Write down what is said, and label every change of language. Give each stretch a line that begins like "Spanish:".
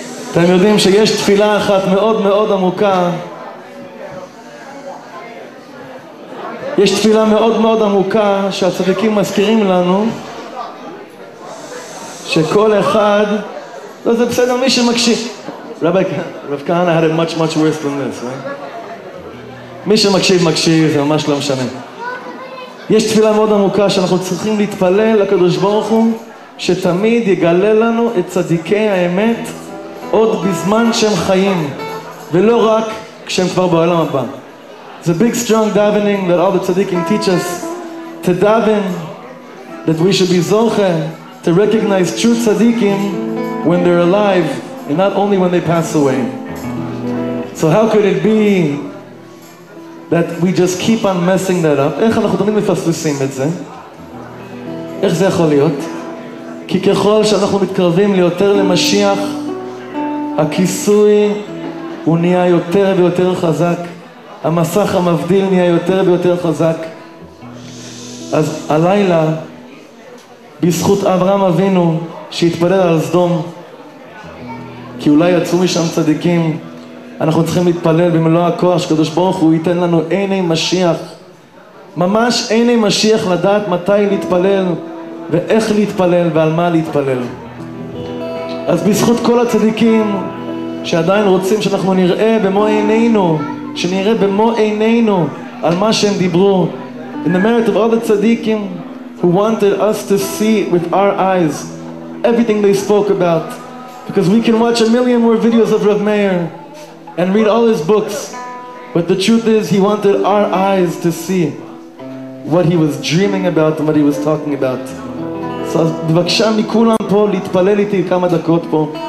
Hebrew: אתם יודעים שיש תפילה אחת מאוד מאוד עמוקה, יש תפילה מאוד מאוד עמוקה שהצדיקים מזכירים לנו, שכל אחד, לא זה בסדר מי שמקשיב, רב כהנא
English: had it much much worse than this,
Hebrew: מי שמקשיב מקשיב, זה ממש לא משנה. יש תפילה מאוד עמוקה שאנחנו צריכים להתפלל לקדוש ברוך הוא שתמיד יגלה לנו את צדיקי האמת עוד בזמן שהם חיים, ולא רק כשהם כבר בעולם הבא.
English: It's a big strong davening that all the tzaddikim teach us to daven, that we should be zoche to recognize true tzaddikim when they're alive and not only when they pass away. So how could it be that we just keep on messing that up?
Hebrew: איך אנחנו תמיד מפספסים את זה? איך זה יכול להיות? כי ככל שאנחנו מתקרבים ליותר למשיח, הכיסוי הוא נהיה יותר ויותר חזק, המסך המבדיל נהיה יותר ויותר חזק. אז הלילה, בזכות אברהם אבינו שהתפלל על סדום, כי אולי יצאו משם צדיקים, אנחנו צריכים להתפלל במלוא הכוח שקדוש ברוך הוא ייתן לנו עיני משיח, ממש עיני משיח לדעת מתי להתפלל ואיך להתפלל ועל מה להתפלל. אז בזכות כל הצדיקים שעדיין רוצים שאנחנו נראה במו עינינו, שנראה במו עינינו על מה שהם דיברו,
English: in the merit of all the tzaddikim who wanted us to see with our eyes everything they spoke about, because we can watch a million more videos of Rav Meir and read all his books, but the truth is he wanted our eyes to see what he was dreaming about and what he was talking about.
Hebrew: So אז בבקשה מכולם פה להתפלל איתי כמה דקות פה.